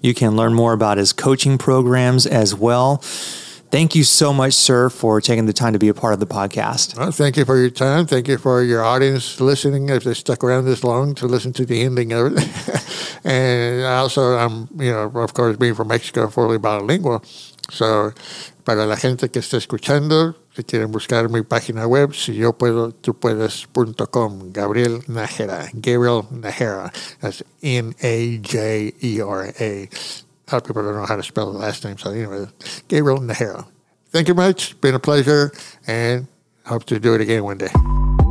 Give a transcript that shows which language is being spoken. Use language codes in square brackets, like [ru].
[en] You can learn more about his coaching programs as well. Thank you so much, sir, for taking the time to be a part of the podcast. Well, thank you for your time. Thank you for your audience listening, if they stuck around this long to listen to the ending of it. And also, I'm, you know, of course, being from Mexico, fully bilingual. [es] So, para la gente que está escuchando, si quieren buscar mi página web, si yo puedo, tú puedes.com, Gabriel Najera, Gabriel Najera. [en] That's N-A-J-E-R-A. A lot of people don't know how to spell the last name. So anyway, Gabriel Najera. Thank you much. Been a pleasure. And hope to do it again one day.